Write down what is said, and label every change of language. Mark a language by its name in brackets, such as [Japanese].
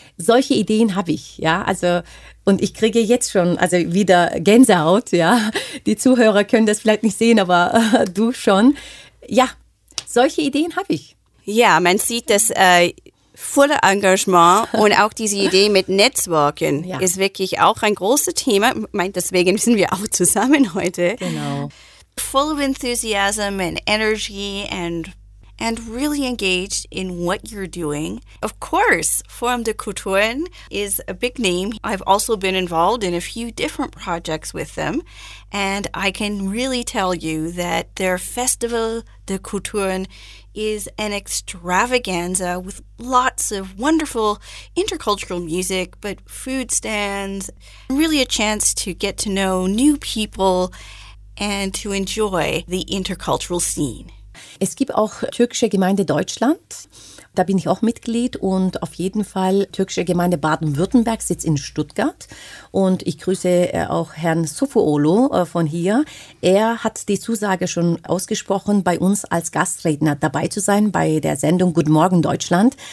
[German] Solche Ideen habe ich, ja. Also, und ich kriege jetzt schon, also wieder Gänsehaut, ja. Die Zuhörer können das vielleicht nicht sehen, aber du schon. Ja, solche Ideen habe ich. Ja, man sieht das. Volle Engagement und auch diese Idee mit Netzwerken, ja, ist wirklich auch ein großes Thema. Deswegen sind wir auch zusammen heute. Genau. [English] Full of enthusiasm and energy and really engaged in what you're doing. Of course, Forum der Kulturen is a big name. I've also been involved in a few different projects with them. And I can really tell you that their Festival der Kulturen is an extravaganza with lots of wonderful intercultural music, but food stands, really a chance to get to know new people and to enjoy the intercultural scene. [German] Es gibt auch Türkische Gemeinde Deutschland. Da bin ich auch Mitglied und auf jeden Fall Türkische Gemeinde Baden-Württemberg sitzt in Stuttgart. Und ich grüße auch Herrn Sufuolo von hier. Er hat die Zusage schon ausgesprochen, bei uns als Gastredner dabei zu sein bei der Sendung Guten Morgen Deutschland.